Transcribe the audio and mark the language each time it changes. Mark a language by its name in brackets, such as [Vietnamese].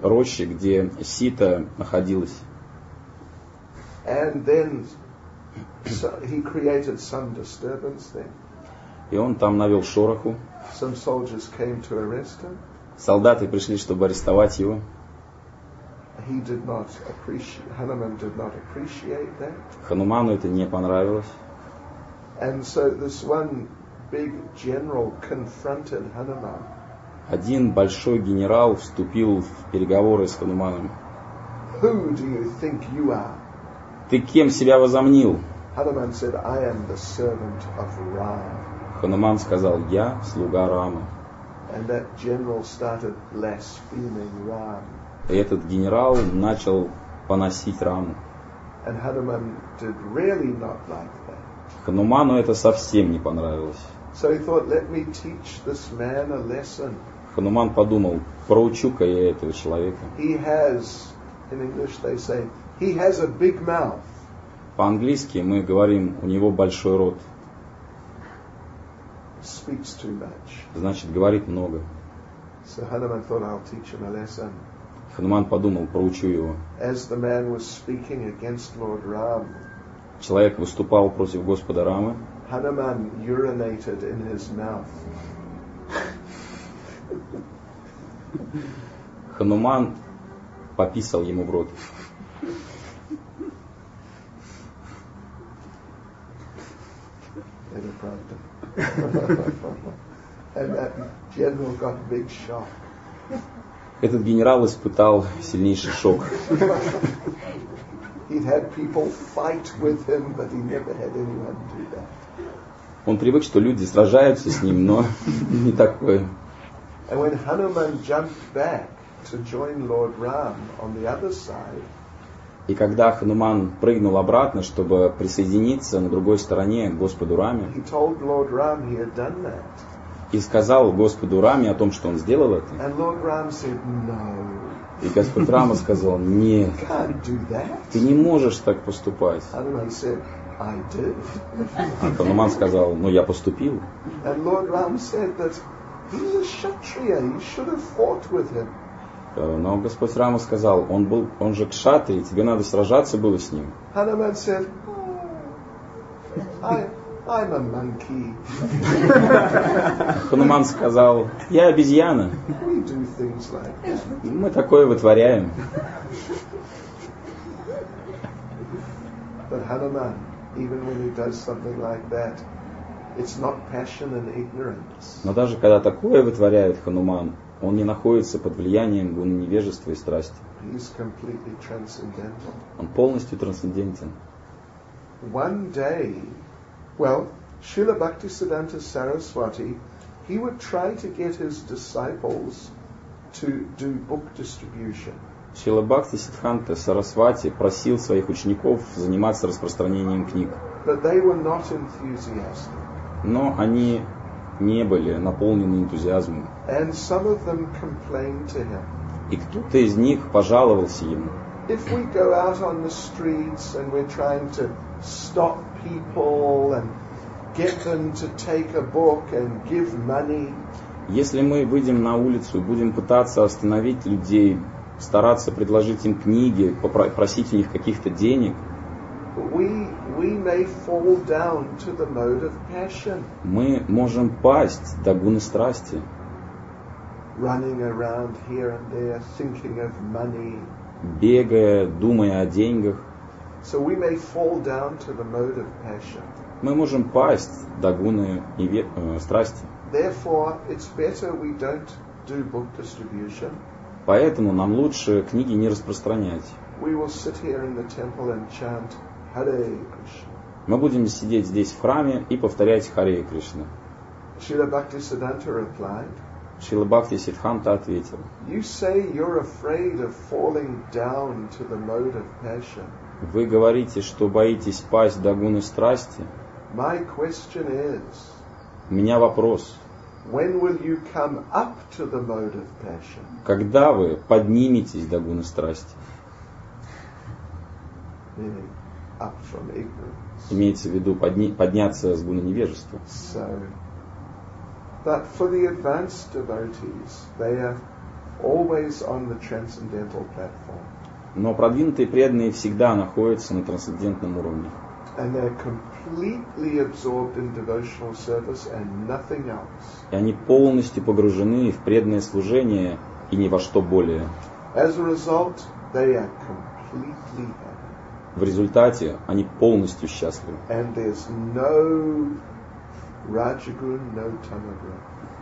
[Russian] рощи, где Сита находилась. [English] And then he created some disturbance there. [Russian] И он там навел шороху. [English] Some soldiers came to arrest him. [Russian] Солдаты пришли, чтобы арестовать его. [English] He did not appreciate, Hanuman did not appreciate that. [Russian] Хануману это не понравилось. [English] And so this one big general confronted Hanuman. [Russian] Один большой генерал вступил в переговоры с Хануманом. [English] Who do you think you are? [Russian] Ты кем себя возомнил? [English] Hanuman said, I am the servant of Ram. [Russian] Хануман сказал, я слуга Рама. [English] And that general started blaspheming Ram. [Russian] И этот генерал начал поносить Раму. [English] And Hanuman did really not like that. [Russian] Хануману это совсем не понравилось. [English] So he thought, let me teach this man a lesson. [Russian] Хануман подумал, проучу-ка я этого человека. [English] He has, in English they say, he has a big mouth. [Russian] По-английски мы говорим, у него большой рот. [English] Speaks too much. [Russian] Значит, говорит много. [English] So Hanuman thought, I'll teach him a lesson. [Russian] Хануман подумал, проучу его. [English] As the man was speaking against Lord Ram, [Russian] человек выступал против Господа Рамы. [English] Hanuman urinated in his mouth. [Russian] Хануман пописал ему в рот. Это правда. [English] And that general got a big shock. [Russian] Этот генерал испытал сильнейший шок. [English] He'd had people fight with him, but he never had anyone do that. [Russian] Он привык, что люди сражаются с ним, но не такое. [English] And when Hanuman jumped back to join Lord Ram on the other side, [Russian] и когда Хануман прыгнул обратно, чтобы присоединиться на другой стороне к Господу Раме, [English] he told Lord Ram he had done that. [Russian] И сказал Господу Раме о том, что он сделал это. [English] And Lord Ram said, no. [Russian] И Господь Рама сказал, нет, ты не можешь так поступать. [English] Hanuman said, I did. [Russian] А Хануман сказал, ну я поступил. [English] And Lord Ram said that he's a kshatriya, you should have fought with him. [Russian] Но Господь Рама сказал, он же кшатрий, тебе надо сражаться было с ним. [English] Hanuman said, I'm a monkey. [Russian] Хануман сказал, я обезьяна. [English] We do things like that. [Russian] Мы такое вытворяем. [English] But Hanuman, even when he does something like that, it's not passion and ignorance. [Russian] Но даже когда такое вытворяет Хануман, он не находится под влиянием гуны невежества и страсти. [English] He's completely transcendental. [Russian] Он полностью трансцендентен. [English] One day, well, Srila Bhaktisiddhanta Saraswati, he would try to get his disciples to do book distribution. [Russian] Srila Bhaktisiddhanta Saraswati просил своих учеников заниматься распространением книг. [English] But they were not enthusiastic. [Russian] Но они не были наполнены энтузиазмом. [English] And some of them complained to him. [Russian] И кто-то из них пожаловался ему. [English] If we go out on the streets and we're trying to stop people and get them to take a book and give money. [Russian] Если мы выйдем на улицу и будем пытаться остановить людей, стараться предложить им книги, попросить у них каких-то денег, мы можем пасть до гуны страсти. [English] Running around here and there, thinking of money. [Russian] Бегая, думая о деньгах. [English] So we may fall down to the mode of passion. [Russian] Мы можем пасть до гуны страсти. [English] Therefore, it's better we don't do book distribution. [Russian] Поэтому нам лучше книги не распространять. [English] We will sit here in the temple and chant Hare Krishna. [Russian] Мы будем сидеть здесь в храме и повторять Харе Кришна. [English] Srila Bhaktisiddhanta replied. [Russian] Шрила Бхакти Сиддханта ответил. [English] You say you're afraid of falling down to the mode of passion. [Russian] Вы говорите, что боитесь пасть до гуны страсти. [English] My question is. [Russian] У меня вопрос. [English] When will you come up to the mode of passion? [Russian] Когда вы подниметесь до гуны страсти? [English] Meaning, up from ignorance. [Russian] Имеется в виду подняться с гуны невежества. [English] So. But for the advanced devotees, they are always on the transcendental platform. [Russian] Но продвинутые преданные всегда находятся на трансцендентном уровне. [English] And they are completely absorbed in devotional service and nothing else. [Russian] И они полностью погружены в преданное служение и ни во что более. [English] As a result, they are completely happy. [Russian] В результате они полностью счастливы. [English] And there's no Раджа-гун, no тамагун.